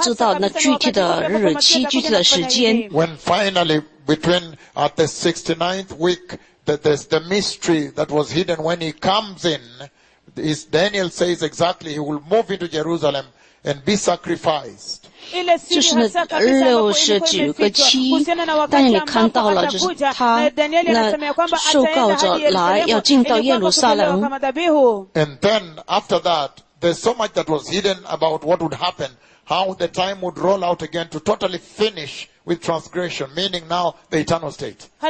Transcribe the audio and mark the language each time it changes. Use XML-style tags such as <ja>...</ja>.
<zh>他看到了弥赛亚的来临，可是他并不知道那具体的日期、具体的时间。</zh> <en>When finally, between at the 69th week, that there's the mystery that was hidden. When he comes in, is Daniel says exactly he will move into Jerusalem and be sacrificed.</en> <zh>就是那六十九个期，但你看到了，就是他那受膏者来要进到耶路撒冷。</zh> <en>And then after that, there's so much that was hidden about what would happen, how the time would roll out again to totally finish with transgression, meaning now the eternal state.</en>